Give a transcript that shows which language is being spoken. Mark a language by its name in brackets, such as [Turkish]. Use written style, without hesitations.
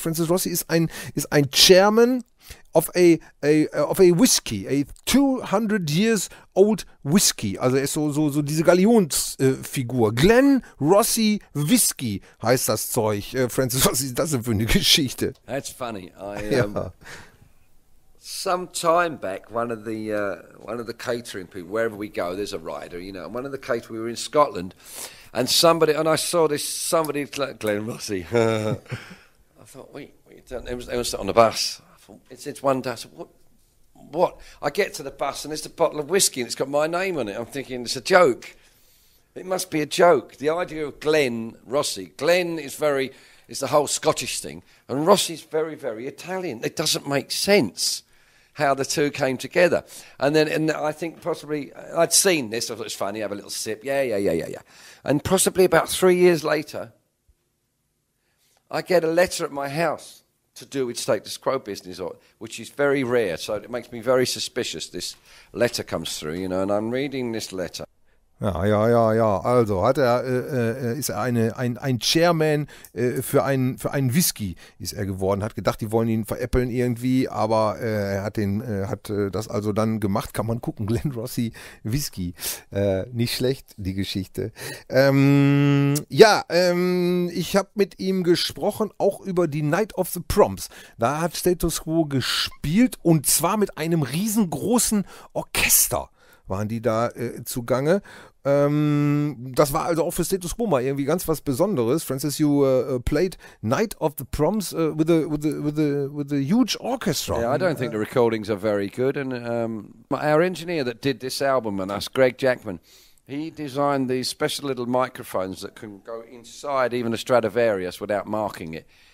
[English] Francis Rossi [German] ist ein [English] Chairman of a whiskey, a 200 years old whiskey. [German] Also er ist so diese Galionsfigur. Glen Rossi Whiskey heißt das Zeug. Francis, was ist das denn für eine Geschichte? [English] That's funny. Some time back, one of the catering people, wherever we go, there's a rider, you know. One of the caterers, we were in Scotland, and I saw this somebody like Glen Rossi. I thought, wait, what you done? It was on the bus. It's one day. I said, what? I get to the bus and it's a bottle of whiskey and it's got my name on it. I'm thinking, it's a joke. It must be a joke. The idea of Glen Rossi. Glen is very, is the whole Scottish thing. And Rossi's very, very Italian. It doesn't make sense how the two came together. And I think possibly, I'd seen this. I thought it was funny. Have a little sip. Yeah. And possibly about 3 years later, I get a letter at my house to do with Status Quo business, which is very rare. So it makes me very suspicious. This letter comes through, you know, and I'm reading this letter. [German] Ja. Also hat er ist er ein Chairman für einen Whisky ist er geworden. Hat gedacht, die wollen ihn veräppeln irgendwie, aber er hat den hat das also dann gemacht. Kann man gucken, Glen Rossi Whisky, nicht schlecht die Geschichte. Ich habe mit ihm gesprochen auch über die Night of the Proms. Da hat Status Quo gespielt und zwar mit einem riesengroßen Orchester. waren die da zugange. Das war also auch für Status Quo mal irgendwie ganz was Besonderes. [English] Francis, you played Night of the Proms with a huge orchestra. Yeah, I don't think the recordings are very good. And our engineer that did this album, and that's Greg Jackman, he designed these special little microphones that can go inside even a Stradivarius without marking it.